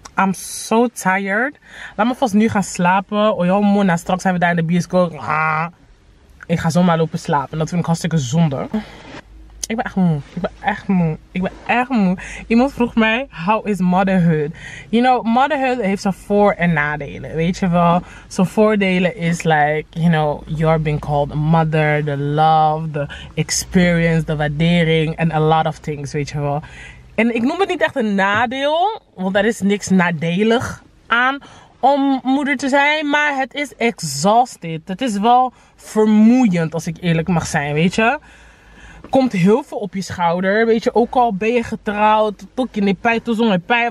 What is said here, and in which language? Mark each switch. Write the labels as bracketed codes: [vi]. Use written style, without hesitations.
[en] I'm so tired. [nl] Laat me vast nu gaan slapen. Oh ja, Mona, straks zijn we daar in de bioscoop. Ah. Ik ga zomaar lopen slapen. Dat vind ik hartstikke zonde. Ik ben echt moe. Iemand vroeg mij, [en] how is motherhood? You know, [nl] motherhood heeft zijn voor- en nadelen. Weet je wel? Zijn voordelen is [en] like, you know, you're being called a mother. The love, the experience, the waardering. And a lot of things, [nl] weet je wel? En ik noem het niet echt een nadeel, want daar is niks nadelig aan om moeder te zijn. Maar het is [en] exhausted. [nl] Het is wel vermoeiend, als ik eerlijk mag zijn, weet je. Komt heel veel op je schouder, weet je. Ook al ben je getrouwd, tot je niet pijn, tot zonder pijn.